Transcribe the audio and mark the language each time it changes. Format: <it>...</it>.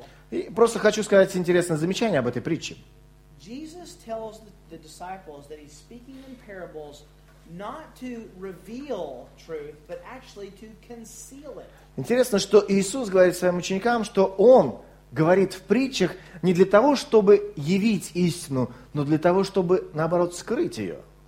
<ru>И просто хочу сказать интересное замечание об этой притче.</ru> <en>Jesus tells the disciples that he's speaking in parables not to reveal truth, but actually to conceal it.</en> <ru>Интересно, что Иисус говорит своим ученикам, что он говорит в притчах не для того, чтобы явить истину, но для того, чтобы наоборот скрыть ее.</ru>